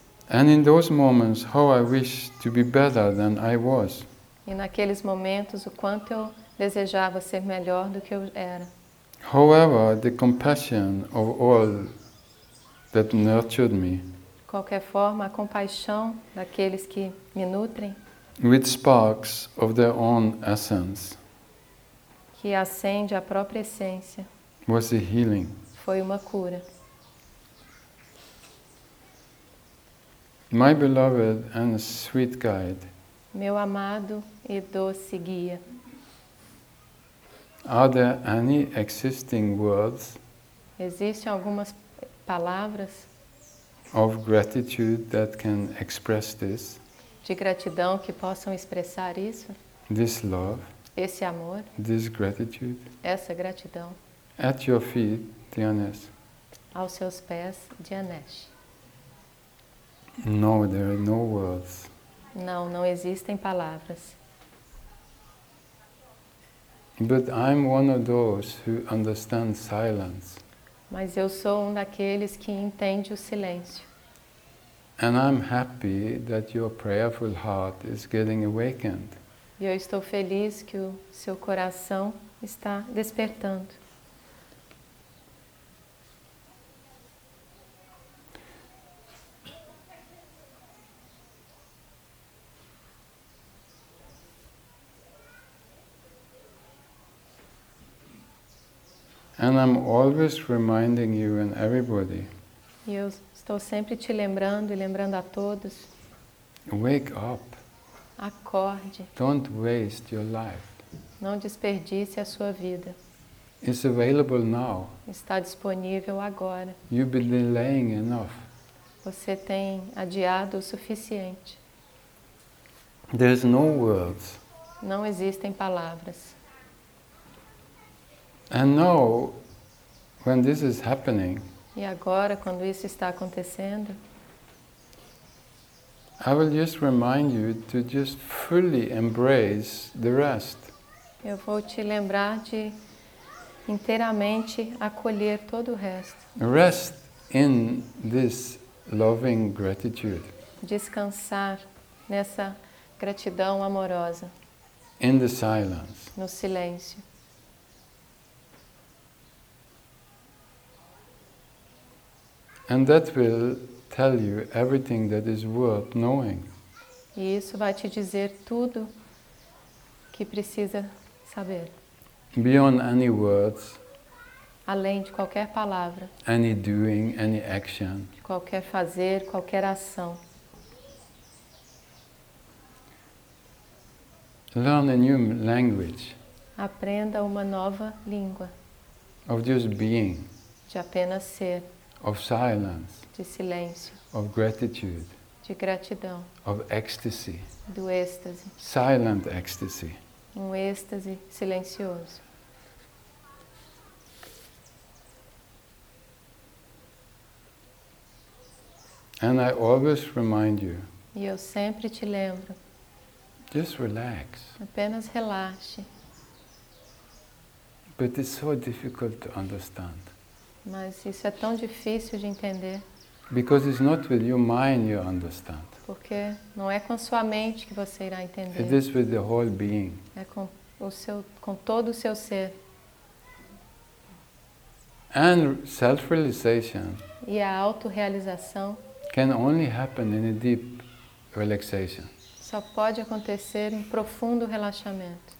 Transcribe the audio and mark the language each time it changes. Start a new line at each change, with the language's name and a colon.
English: And in those moments, how I wish to be better than I was.
Portuguese: E naqueles momentos, o quanto eu desejava ser melhor do que eu era.
English: However, the compassion of all that nurtured me.
Portuguese: De qualquer forma, a compaixão daqueles que me nutrem.
English: With sparks of their own essence.
Portuguese: Que acende a própria essência.
English: Was a healing.
Portuguese: Foi uma cura.
English: My beloved and sweet guide.
Portuguese: Meu amado e doce guia.
English: Are there any existing words?
Portuguese: Existem algumas palavras?
English: Of gratitude that can express this.
Portuguese: De gratidão que possam expressar isso.
English: This love.
Portuguese: Esse amor.
English: This gratitude.
Portuguese: Essa gratidão.
English: At your feet, Dianesh.
Portuguese: Aos seus pés, Dianesh.
English: No, there are no words.
Portuguese: Não, não existem palavras.
English: But I'm one of those who understand silence.
Portuguese: Mas eu sou um daqueles que entende o silêncio.
English: And I'm happy that your prayerful heart is getting awakened.
Portuguese: E eu estou feliz que o seu coração está despertando.
English: And I'm always reminding you and everybody.
Portuguese: E eu estou sempre te lembrando e lembrando a todos.
English: Wake up.
Portuguese: Acorde.
English: Don't waste your life.
Portuguese: Não desperdice a sua vida.
English: It's available now.
Portuguese: Está disponível agora.
English: You've been delaying enough.
Portuguese: Você tem adiado o suficiente.
English: There's no words.
Portuguese: Não existem palavras.
English: And now, when this is happening,
Portuguese: e agora, quando isso está acontecendo,
English: I will just remind you to just fully embrace the rest.
Portuguese: Eu vou te lembrar de inteiramente acolher todo o resto.
English: Rest in this loving gratitude.
Portuguese: Descansar nessa gratidão amorosa.
English: In the silence.
Portuguese: No silêncio.
English: And that will tell you everything that is worth knowing.
Portuguese: E isso vai te dizer tudo que precisa saber.
English: Beyond any words.
Portuguese: Além de qualquer palavra.
English: Any doing, any action.
Portuguese: De qualquer fazer, qualquer ação.
English: Learn a new language.
Portuguese: Aprenda uma nova língua.
English: Of just being.
Portuguese: De apenas ser.
English: Of silence.
Portuguese: De silêncio.
English: Of gratitude.
Portuguese: De gratidão.
English: Of ecstasy.
Portuguese: Do êxtase.
English: Silent ecstasy.
Portuguese: Um êxtase silencioso.
English: And I always remind you.
Portuguese: E eu sempre te lembro.
English: Just relax.
Portuguese: Apenas relaxe.
English: But it's so difficult to understand.
Portuguese: Mas isso é tão difícil de entender.
English: Because it's not with your mind you understand.
Portuguese: Porque não é com sua mente que você irá entender.
English: It is with the whole being.
Portuguese: É com o seu, com todo o seu ser.
English: And self-realization.
Portuguese: E a auto-realização.
English: Can only happen in a deep relaxation.
Portuguese: Só pode acontecer em profundo relaxamento.